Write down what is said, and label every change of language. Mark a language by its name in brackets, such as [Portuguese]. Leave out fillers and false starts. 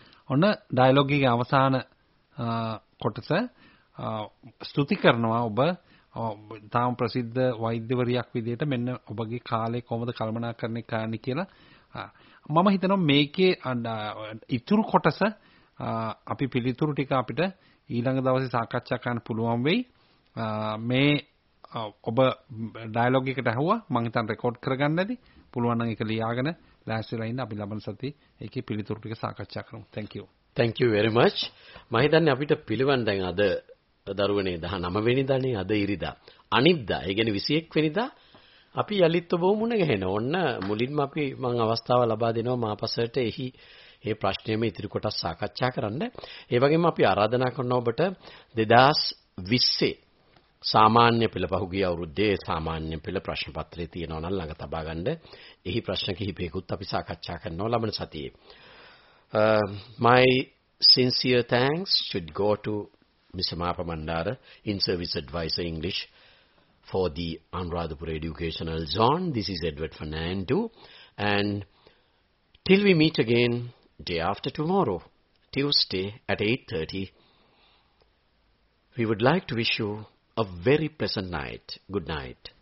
[Sinhala] ona dialogue ge avasana kotasa stuti karanawa oba තාම ප්‍රසිද්ධ වෛද්‍යවරියක් විදිහට මෙන්න ඔබගේ කාලේ කොහොමද කල්මනාකරණේ කාන්නේ කියලා මම හිතනවා මේකේ ඉතුරු කොටස අපි පිළිතුරු ටික අපිට ඊළඟ දවසේ සාකච්ඡා කරන්න පුළුවන් වෙයි මේ ඔබ ඩයලොග් එකට ඇහුවා මම හිතන් රෙකෝඩ් කරගන්න ඇති පුළුවන් නම් ඒක ලියාගෙන ලෑස්තිලා ඉන්න අපි ලබන සතියේ ඒකේ පිළිතුරු ටික සාකච්ඡා කරමු [English] thank you very much [Sinhala] මම හිතන්නේ අපිට පිළිවන් දැන් අද දරුවනේ 19 වෙනිදානේ අද ඉරිදා අනිද්දා ඒ කියන්නේ 21 වෙනිදා අපි යලිත් ඔබව මුණ ගැහෙන ඕන්න මුලින්ම අපි මම අවස්ථාව ලබා දෙනවා මාපසයට එහි ඒ ප්‍රශ්නෙම ඉදිරි කොටස සාකච්ඡා කරන්න ඒ වගේම අපි ආරාධනා කරනවා ඔබට 2020 සාමාන්‍ය පෙළ පහුගිය අවුරුද්දේ සාමාන්‍ය පෙළ ප්‍රශ්න පත්‍රය තියෙනවා නම් ළඟ තබා ගන්න. එහි ප්‍රශ්න කිහිපයකුත් අපි සාකච්ඡා කරනවා ලබන සතියේ. [English] My sincere thanks should go to Ms. Mapa Mandara, in-service advisor English for the Anuradhapura Educational Zone. This is Edward Fernando. And till we meet again day after tomorrow, Tuesday at 8:30, we would like to wish you a very pleasant night. Good night.